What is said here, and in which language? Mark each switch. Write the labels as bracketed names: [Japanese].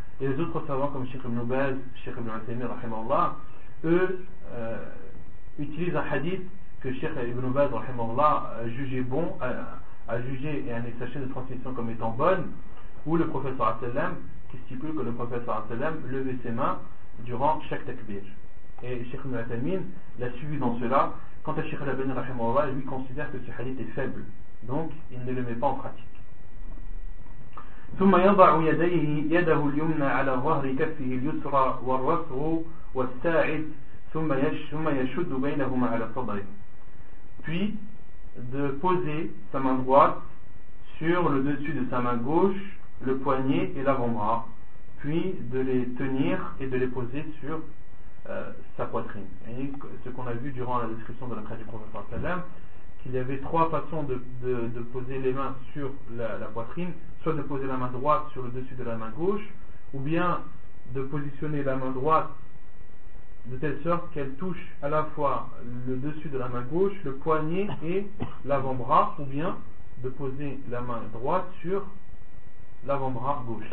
[French] Et les autres savants comme Cheikh ibn Baz, Cheikh ibn Uthaymeen rahimahullah, eux utilisent un hadith que Cheikh ibn Baz rahimahullah jugeait bon à juger et à annexer sa chaîne de transmission comme étant bonne, ou le professeur Asselem, qui stipule que le professeur Asselem levait ses mains durant chaque takbir. Et Cheikh Ibn Uthaymeen l'a suivi dans cela. Quant à Cheikh Al-Albani rahimahullah, lui considère que ce hadith est faible, donc il ne le met pas en pratique. [Arabic] ثم يضع يديه يده اليمنى على ظهر كفه اليسرى والرفع والساعد ثم يشد بينهما على صدره. [French] Puis de poser sa main droite sur le dessus de sa main gauche, le poignet et l'avant-bras, puis de les tenir et de les poser sur sa poitrine. Et ce qu'on a vu durant la description de la prière du prophète, qu'il y avait trois façons de poser les mains sur la poitrine, soit de poser la main droite sur le dessus de la main gauche, ou bien de positionner la main droite de telle sorte qu'elle touche à la fois le dessus de la main gauche, le poignet et l'avant-bras, ou bien de poser la main droite sur l'avant-bras gauche.